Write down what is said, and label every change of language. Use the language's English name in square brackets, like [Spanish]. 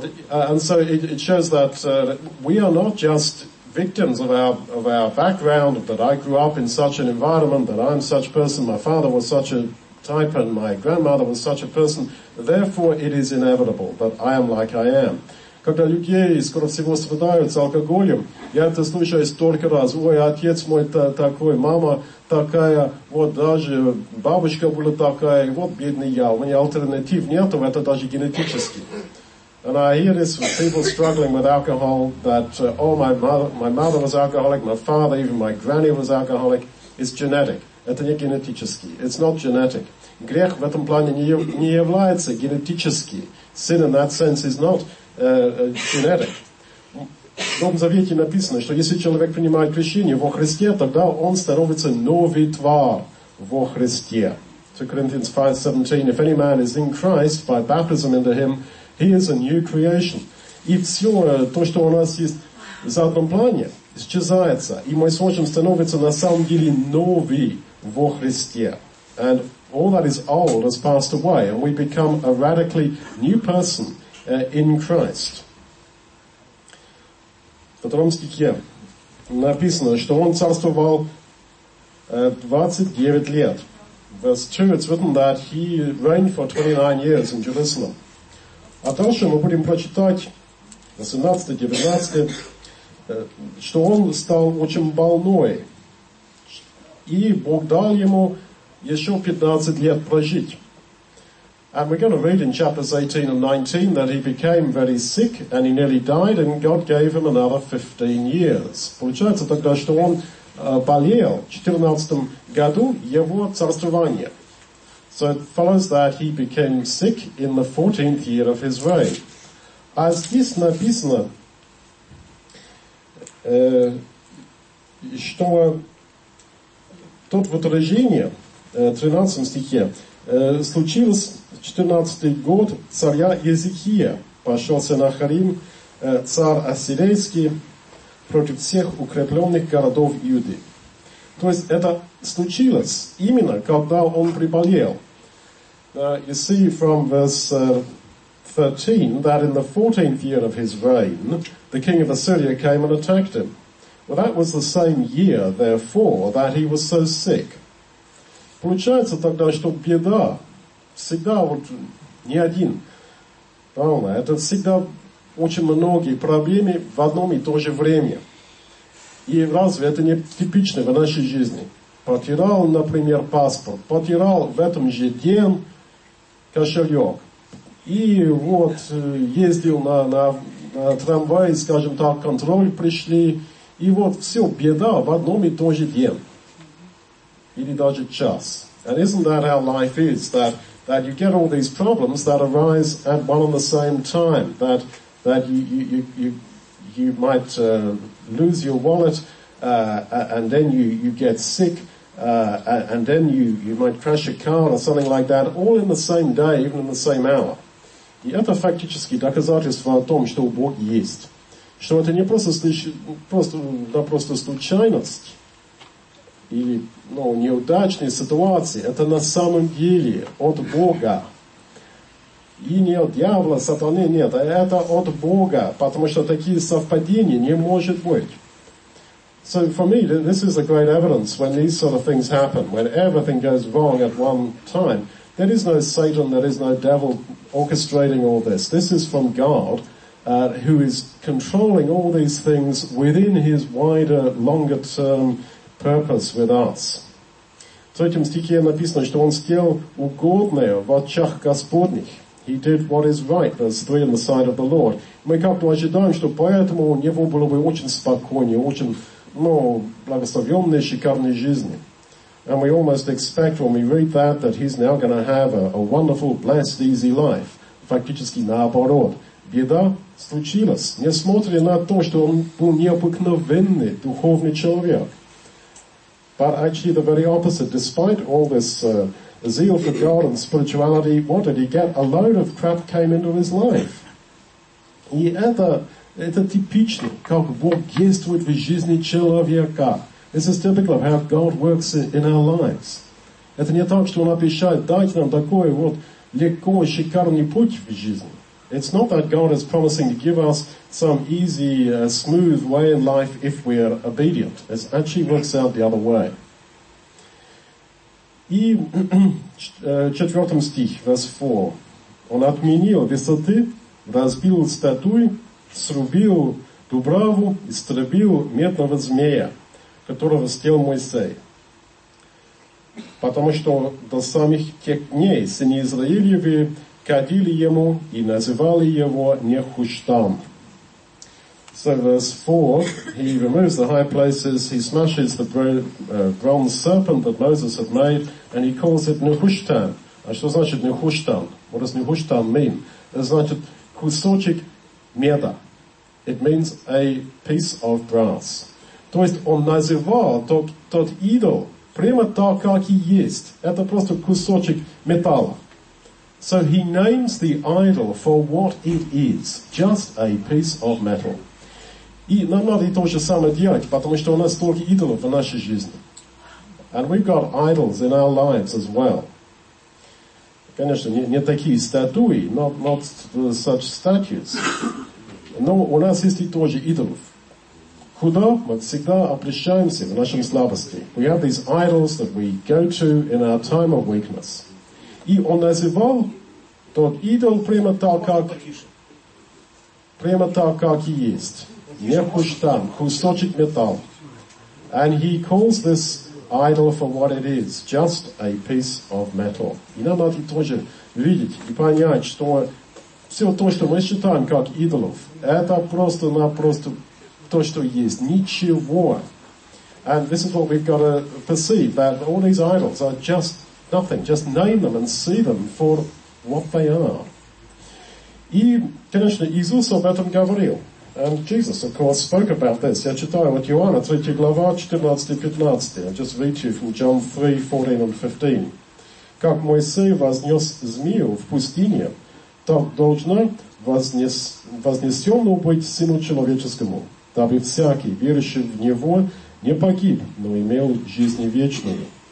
[English] And so it shows that we are not just victims of our background, that I grew up in such an environment, that I'm such a person, my father was such a type, and my grandmother was such a person. Therefore, it is inevitable that I am like I am. [Russian] Когда люди скоро всего страдают с алкоголем, я это слышу столько раз. Ой, отец мой такой, мама такая, вот даже бабушка была такая, вот бедный я. У меня альтернатив нету, это даже генетически. [English] And I hear this with people struggling with alcohol, that, my mother was alcoholic, my father, even my granny was alcoholic. It's genetic. [Russian] Это не генетически. [English] It's not genetic. [Russian] Грех в этом плане не является генетически. [English] Sin in that sense is not genetic. [Russian] В Новом Завете написано, что если человек принимает крещение во Христе, тогда он становится новый твар во Христе. [English] 2 Corinthians 5:17. If any man is in Christ, by baptism into him, he is a new creation. [Russian] И все то, что у нас есть в заднем плане, исчезается. И мы сможем становиться на самом деле новый во Христе. [English] And all that is old has passed away. And we become a radically new person in Christ. [Russian] В втором стихе написано, что он царствовал 29 лет. [English] Verse 2, it's written that he reigned for 29 years in Jerusalem. [Russian] А дальше мы будем прочитать 18-19, что он стал очень больной. И Бог дал ему еще 15 лет прожить. [English] And we're going to read in chapters 18 and 19 that he became very sick and he nearly died and God gave him another 15 years. [Russian] Получается тогда, что он болел в 14 году его царствования. [English] So it follows that he became sick in the 14th year of his reign. [Russian] А здесь написано, что тут в отражении, в 13 стихе, случилось 14-й год царя Езекия. Пошел Сеннахерим, царь ассирийский, против всех укрепленных городов Юды. То есть это случилось именно, когда он приболел. [English] You see from verse 13 that in the 14th year of his reign, the king of Assyria came and attacked him. Well, that was the same year, therefore, that he was so sick. [Russian] Получается тогда, что беда всегда вот не один. Правильно? Это всегда очень многие проблемы в одном и то же время. И разве это не типично в нашей жизни? Потерял, например, паспорт. Потерял в этом же день кошелек. И вот ездил на трамвай, скажем так, контроль пришли. И вот все, беда в одном и том же дне. Или даже час. [English] And isn't that how life is? That you get all these problems that arise at one and the same time. That you might lose your wallet, and then you get sick. And then you might crash a car or something like that, all in the same day, even in the same hour. [Russian] И это фактически доказательство о том, что Бог есть. Что это не просто случайность. или ну, неудачные ситуации, это на самом деле от Бога. И не от дьявола, сатаны, нет, а это от Бога, потому что такие совпадения не может быть. [English] So for me, this is a great evidence when these sort of things happen, when everything goes wrong at one time. There is no Satan, there is no devil orchestrating all this. This is from God, who is controlling all these things within his wider, longer term purpose with us. [Russian] В третьем стихе написано, что он сделал угодное в очах Господних. [English] He did what is right, verse 3, in the sight of the Lord. [Russian] Мы как-то ожидаем, что поэтому у него было бы очень спокойнее, очень, ну, благословенной, шикарной жизни. [English] And we almost expect when we read that, that he's now going to have a wonderful, blessed, easy life. [Russian] Фактически наоборот. Беда случилась. Несмотря на то, что он был необыкновенный, духовный человек. [English] But actually the very opposite. Despite all this zeal for God and spirituality, what did he get? A load of crap came into his life. [Russian] И это типично, как Бог действует в жизни человека. [English] This is typical of how God works in our lives. [Russian] Это не так, что он обещает дать нам такой вот легко, шикарный путь в жизни. [English] It's not that God is promising to give us some easy, smooth way in life if we are obedient. It actually works out the other way. [Russian] И четвертом стих, [English] verse 4. [Russian] Он отменил высоты, разбил статуи, срубил дубраву, истребил медного змея, которого сделал Моисей. Потому что до самих тех дней сыны Израилевы кадили ему и называли его Нехуштам. [English] So verse 4, he removes the high places, he smashes the bronze serpent that Moses had made, and he calls it Нехуштам. [Russian] А что значит Нехуштам? [English] What does Нехуштам mean? [Russian] Это значит кусочек меда. [English] It means a piece of brass. [Russian] То есть он называл тот идол прямо так, как и есть. Это просто кусочек металла. [English] So he names the idol for what it is, just a piece of metal. [Russian] И нам надо и то же самое делать, потому что у нас столько идолов в нашей жизни. [English] And we've got idols in our lives as well. [Russian] Конечно, не такие статуи, [English] not such statues. [Russian] Но у нас есть и тоже идолов. Куда мы всегда обращаемся в нашем слабости? [English] We have these idols that we go to in our time of weakness. [Russian] И он называл тот идол прямо так, как и есть. Нехуштам, кусочек металл. [English] And he calls this idol for what it is, just a piece of metal. [Russian] И нам надо тоже видеть и понять, что все то, что мы считаем как идолов, это просто-напросто то, что есть. Ничего. [English] And this is what we've got to perceive, that all these idols are just nothing. Just name them and see them for what they are. [Russian] И, конечно, Иисус об этом говорил. [English] And Jesus, of course, spoke about this. [Russian] Я читаю вот Иоанна, 3 глава, 14-15. [English] I'll just read you from John 3, 14 and 15. [Russian] Как Моисей вознес змею в пустыне, так должно вознесенно быть Сыну Человеческому, дабы всякий, верующий в Него, не погиб, но имел жизнь вечную.